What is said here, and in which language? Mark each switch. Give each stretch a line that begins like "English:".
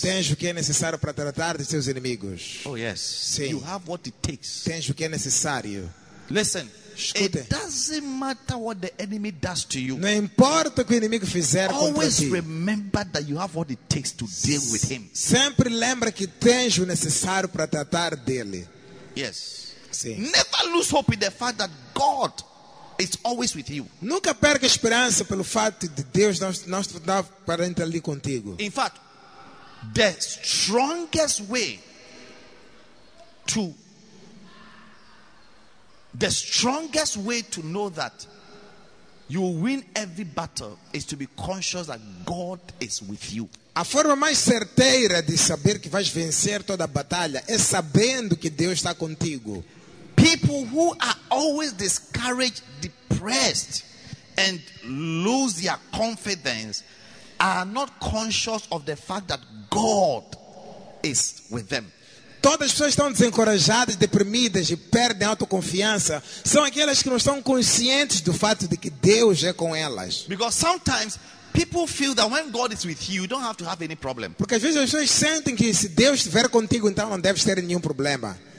Portuguese: Tens o que é necessário para tratar de seus inimigos.
English: Oh yes.
Portuguese: Sim.
English: You have what it takes.
Portuguese: Tens o que é necessário.
English: Listen.
Portuguese: Escute.
English: It doesn't matter what the enemy does to you.
Portuguese: Não importa o que o inimigo fizer contra ti.
English: Always remember that you have what it takes to deal with him.
Portuguese: Sempre lembra que tens o necessário para tratar dele.
English: Yes.
Portuguese: Sim.
English: Never lose hope in the fact that God. It's always with you.
Portuguese: Nunca perca a esperança pelo fato de Deus não estar para entrar ali contigo.
English: In fact, the strongest way to know that you will win every battle is to be conscious that God is with you.
Portuguese: A forma mais certeira de saber que vais vencer toda a batalha é sabendo que Deus está contigo.
English: People who are always discouraged, depressed, and lose their confidence are not conscious of the fact that God is with them.
Portuguese: Todas as pessoas estão desencorajadas, deprimidas e perdem a autoconfiança são aquelas que não estão conscientes do fato de que Deus é com elas.
English: Because sometimes people feel that when God is with you, you don't have to have any problem.
Portuguese: Porque às vezes as pessoas sentem que se Deus estiver contigo, então não deve ter nenhum problema.